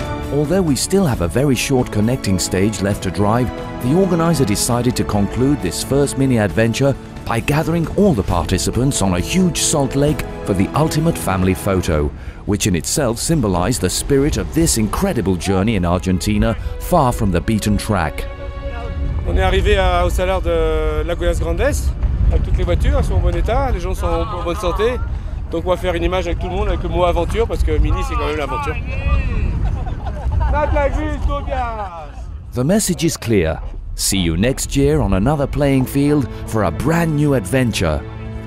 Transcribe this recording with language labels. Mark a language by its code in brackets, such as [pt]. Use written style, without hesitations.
[en] Although we still have a very short connecting stage left to drive, the organizer decided to conclude this first mini adventure by gathering all the participants on a huge salt lake for the ultimate family photo, which in itself symbolized the spirit of this incredible journey in Argentina, far from the beaten track. [fr] On est arrivé au salar de Lagoas Grandes, avec toutes les voitures sont en bon état, les gens sont en bonne santé. Donc on va faire une image avec tout le monde avec le mot aventure parce que mini c'est quand même l'aventure. [en] The message is clear. See you next year on another playing field for a brand new adventure.